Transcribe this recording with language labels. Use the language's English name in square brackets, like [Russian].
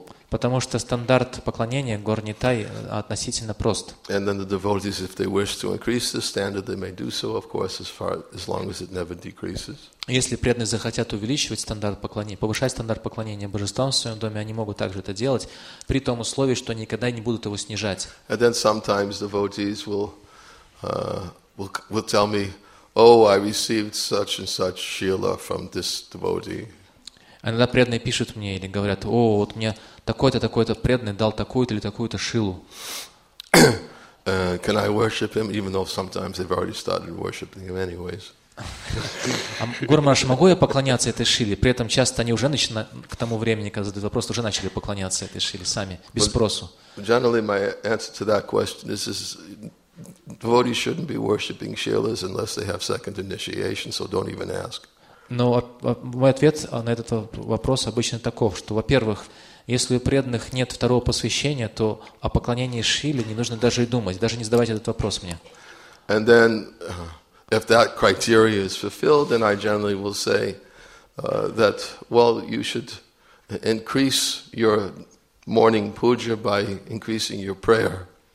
[Russian] Потому что стандарт поклонения Гор-Нитай относительно прост. [English] And then the devotees, if they wish to increase the standard, they may do so, of course, as long as it never decreases. [Russian] Если преданные захотят увеличивать стандарт поклонения, повышать стандарт поклонения божествам в своем доме, они могут также это делать, при том условии, что никогда не будут его снижать. [English] And then sometimes devotees will tell me, oh, I received such and such shila from this devotee. [Russian] Иногда преданные пишут мне или говорят, о, вот мне такой-то преданный дал такую-то или такую-то шилу. [English] Can I worship him, even though sometimes they've already started worshiping him anyways? [Russian] Гуру Махарадж, могу я поклоняться этой шиле? При этом часто они уже к тому времени, когда задают вопрос, уже начали поклоняться этой шиле сами, без спросу. [English] Generally, my answer to that question is Devotees shouldn't be worshipping shilas unless they have second initiation, so don't even ask. [Russian] Но мой ответ на этот вопрос обычно таков, что, во-первых, если у преданных нет второго посвящения, то о поклонении Шиле не нужно даже и думать, даже не задавать этот вопрос мне. [English] And then, if that criteria is fulfilled, then I generally will say that, well, you should increase your morning puja by increasing your prayer.